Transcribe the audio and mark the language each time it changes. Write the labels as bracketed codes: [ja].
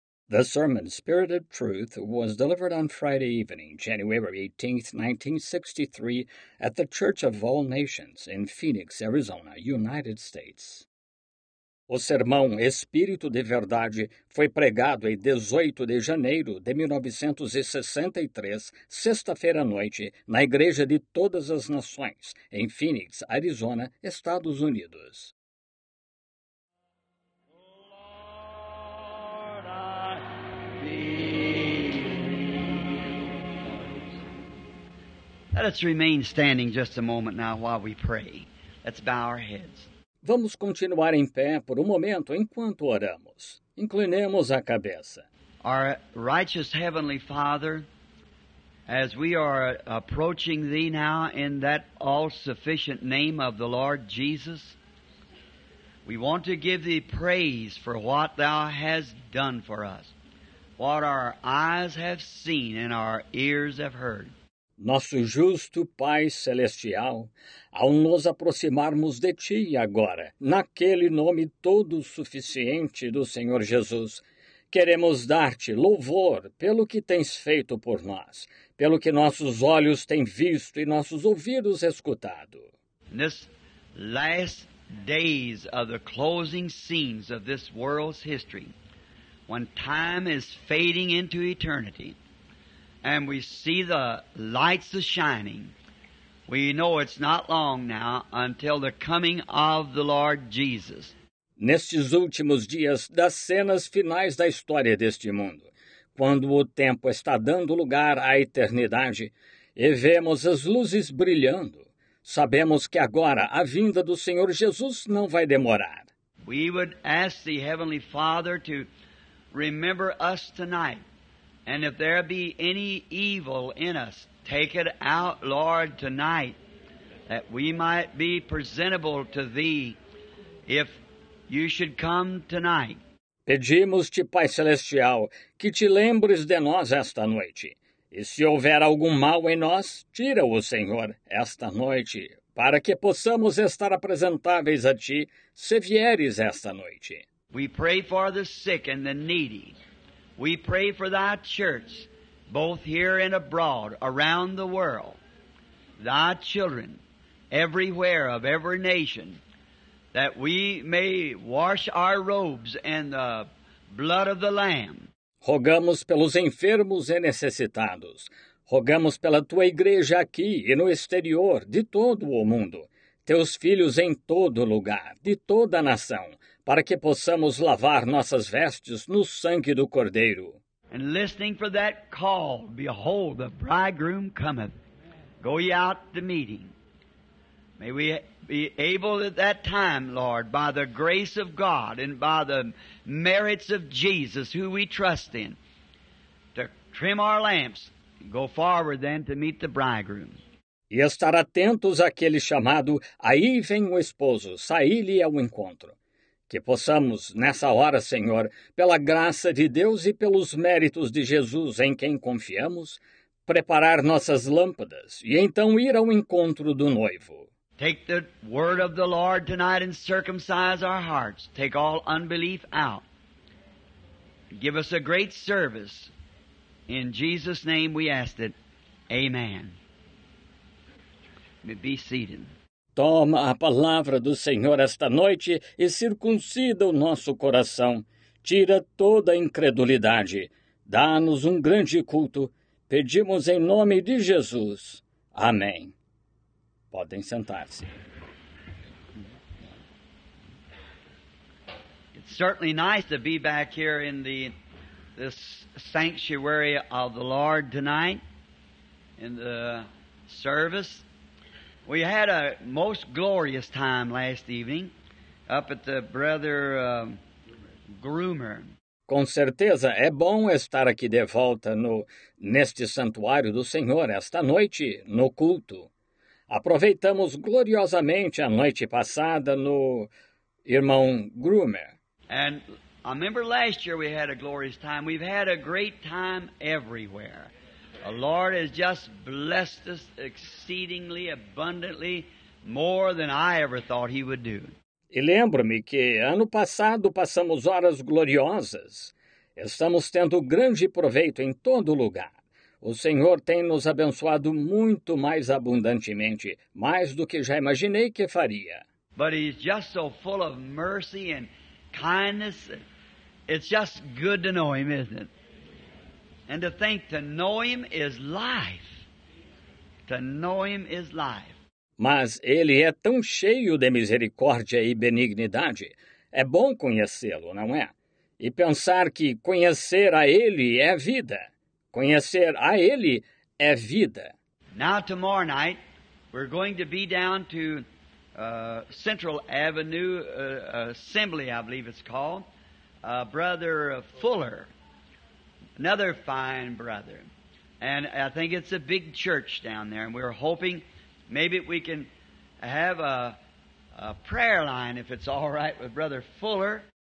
[en] The sermon, Spirit of Truth, was delivered on Friday evening, January 18, 1963, at the Church of All Nations in Phoenix, Arizona, United States. [pt] O sermão Espírito de Verdade foi pregado em 18 de janeiro de 1963, sexta-feira à noite, na Igreja de Todas as Nações, em Phoenix, Arizona, Estados Unidos. [en] Let us remain standing just a moment now while we pray. Let's bow our heads. [pt] Vamos continuar em pé por um momento enquanto oramos. Inclinemos a cabeça. [en] Our righteous Heavenly Father, as we are approaching Thee now in that all-sufficient name of the Lord Jesus, we want to give Thee praise for what Thou hast done for us, what our eyes have seen and our ears have heard. [pt] Nosso justo Pai Celestial, ao nos aproximarmos de Ti agora, naquele nome todo suficiente do Senhor Jesus, queremos dar-te louvor pelo que tens feito por nós, pelo que nossos olhos têm visto e nossos ouvidos escutado. [en] Nos last days of the closing scenes of this world's history, when time is fading into eternity, and we see the lights are shining, we know it's not long now until the coming of the Lord Jesus. [pt] Nestes últimos dias das cenas finais da história deste mundo, quando o tempo está dando lugar à eternidade e vemos as luzes brilhando, sabemos que agora a vinda do Senhor Jesus não vai demorar. [en] We would ask the Heavenly Father to remember us tonight. And if there be any evil in us, take it out, Lord, tonight, that we might be presentable to Thee, if You should come tonight. [pt] Pedimos-te, Pai Celestial, que te lembres de nós esta noite. E se houver algum mal em nós, tira-o, Senhor, esta noite, para que possamos estar apresentáveis a Ti, se vieres esta noite. [en] We pray for the sick and the needy. We pray for Thy church, both here and abroad, around the world, Thy children, everywhere of every nation, that we may wash our robes in the blood of the Lamb. [pt] Rogamos pelos enfermos e necessitados. Rogamos pela Tua igreja aqui e no exterior, de todo o mundo. Teus filhos em todo lugar, de toda a nação, para que possamos lavar nossas vestes no sangue do Cordeiro. [en] And listening for that call, behold, the bridegroom cometh. Go ye out to meet him. May we be able at that time, Lord, by the grace of God and by the merits of Jesus, who we trust in, to trim our lamps and go forward then to meet the bridegroom. [pt] E estar atentos àquele chamado, aí vem o esposo, saí-lhe ao encontro. Que possamos, nessa hora, Senhor, pela graça de Deus e pelos méritos de Jesus em quem confiamos, preparar nossas lâmpadas e então ir ao encontro do noivo. [en] Take the word of the Lord tonight and circumcise our hearts. Take all unbelief out. Give us a great service. In Jesus' name we ask it. Amen. Be seated. [pt] Toma a palavra do Senhor esta noite e circuncida o nosso coração. Tira toda a incredulidade. Dá-nos um grande culto. Pedimos em nome de Jesus. Amém. Podem sentar-se. [en] It's certainly nice to be back here in this sanctuary of the Lord tonight in the service. We had a most glorious time last evening up at the Brother Groomer. [pt] Com certeza é bom estar aqui de volta neste santuário do Senhor esta noite, no culto. Aproveitamos gloriosamente a noite passada no Irmão Groomer. [en] And I remember last year we had a glorious time. We've had a great time everywhere. The Lord has just blessed us exceedingly, abundantly, more than I ever thought He would do. [pt] E lembro-me que ano passado passamos horas gloriosas Estamos tendo grande proveito em todo lugar. O Senhor tem nos abençoado muito mais abundantemente, mais do que já imaginei que faria. [en] But he's just so full of mercy and kindness. It's just good to know him, isn't it? And to think to know him is life. To know him is life. [pt] Mas ele é tão cheio de misericórdia e benignidade. É bom conhecê-lo, não é? E pensar que conhecer a ele é vida. Conhecer a ele é vida. [en] Now tomorrow night, we're going to be down to Central Avenue Assembly, I believe it's called. Brother Fuller, another fine brother. And I think it's a big church down there, and we're hoping maybe we can have a prayer line, if it's all right with Brother Fuller.